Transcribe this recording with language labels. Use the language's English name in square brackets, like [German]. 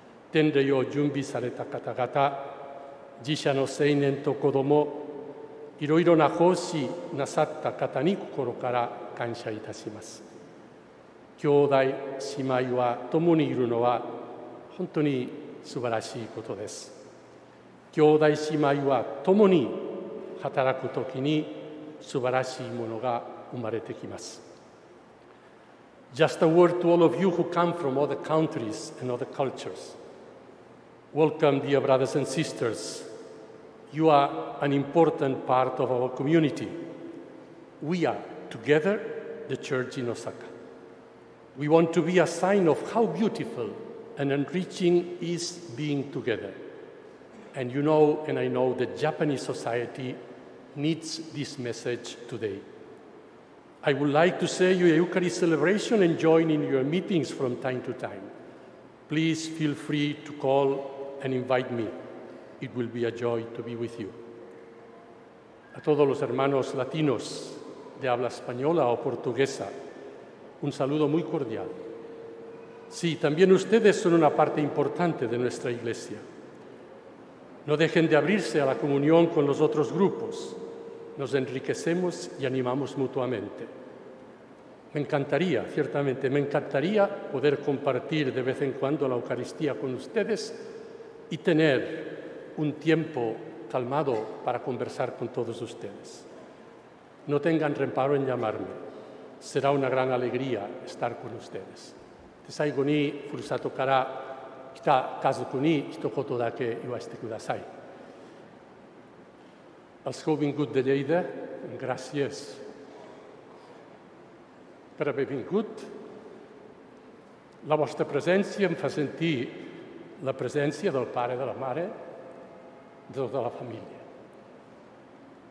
[Japanese] 典礼を準備された方々、自社の青年と子ども、いろいろな奉仕なさった方に心から感謝いたします。兄弟姉妹は共にいるのは本当に素晴らしいことです。兄弟姉妹は共に働くときに素晴らしいものが生まれてきます。 [English] Just a word to all of you who come from other countries and other cultures. Welcome, dear brothers and sisters. You are an important part of our community. We are together the church in Osaka. We want to be a sign of how beautifuland enriching is being together. And you know, and I know, the Japanese society needs this message today. I would like to say your Eucharist celebration and join in your meetings from time to time. Please feel free to call and invite me. It will be a joy to be with you. [Spanish] A todos los hermanos latinos de habla española o portuguesa, un saludo muy cordial. Sí, también ustedes son una parte importante de nuestra Iglesia. No dejen de abrirse a la comunión con los otros grupos. Nos enriquecemos y animamos mutuamente. Me encantaría, ciertamente, me encantaría poder compartir de vez en cuando la Eucaristía con ustedes y tener un tiempo calmado para conversar con todos ustedes. No tengan reparo en llamarme. será una gran alegría estar con ustedes. [Japanese] で、最後に、ふるさとから来た家族に一言だけ言わせてください。 [Catalan] Els que heu vingut de Lleida, gràcies per haver vingut. La vostra presència em fa sentir la presència del pare, de la mare, de tota la família.